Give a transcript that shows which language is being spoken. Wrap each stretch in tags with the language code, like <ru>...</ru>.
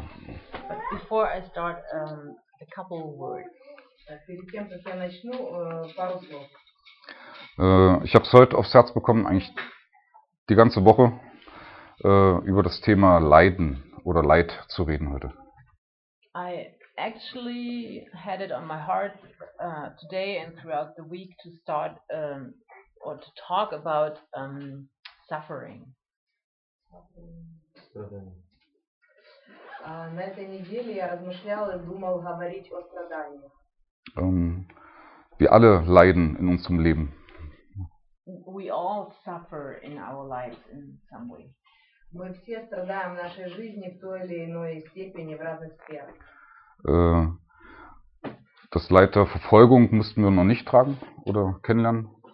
<en>But before I start, a couple of words.</en> <de>Ich habe es heute aufs Herz bekommen, eigentlich die ganze Woche, über das Thema Leiden oder Leid zu reden heute.</de> <en>I actually had it on my heart today and throughout the week to start or to talk about suffering.</en> <ru>На этой неделе я размышлял и думал говорить о страданиях.</ru> <de>Wir alle leiden in unserem Leben.</de> <en>We all suffer in our lives in some way.</en> <ru>Мы все страдаем в нашей жизни в той или иной степени в разных сферах.</ru> <de>Das Leid der Verfolgung mussten wir noch nicht tragen oder kennenlernen.</de>